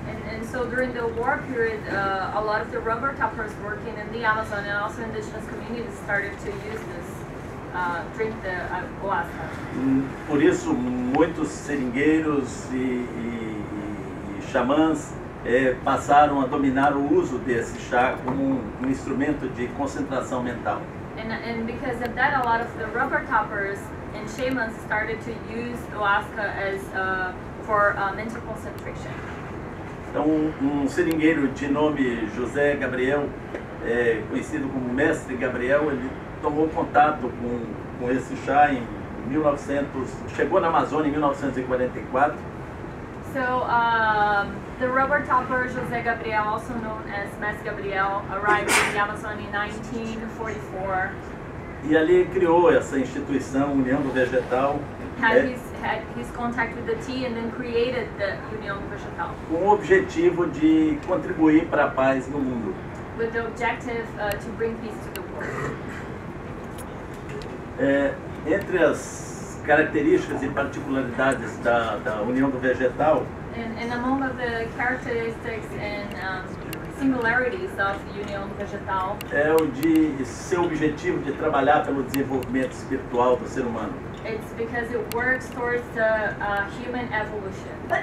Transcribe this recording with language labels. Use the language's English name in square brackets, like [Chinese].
[English] And so during the war period, a lot of the rubber tappers working in the Amazon and also indigenous communities started to use this, drink the OASCA. [Portuguese] Por isso, muitos seringueiros e xamãs passaram a dominar o uso desse chá como um instrumento de concentração mental. [English] And because of that, a lot of the rubber tappers and shamans started to use OASCA as for mental concentration. [Portuguese] Então, um seringueiro de nome José Gabriel, conhecido como Mestre Gabriel, ele tomou contato com esse chá em 1900, chegou na Amazônia em 1944. [English] The rubber topper José Gabriel, also known as Mestre Gabriel, arrived in the Amazon in 1944. [Portuguese] E ali criou essa instituição União do Vegetal. [English] Had his contact with the tea and then created the Union Vegetal. [Portuguese] Com o objetivo de contribuir para a paz no mundo. [English] With the objective to bring peace to the world. [Portuguese] Entre as características e particularidades da União do Vegetal. [English] And among the characteristics and singularities of Union Vegetal. [Portuguese] É o de seu objetivo de trabalhar pelo desenvolvimento espiritual do ser humano. [English] It's because it works towards the human evolution.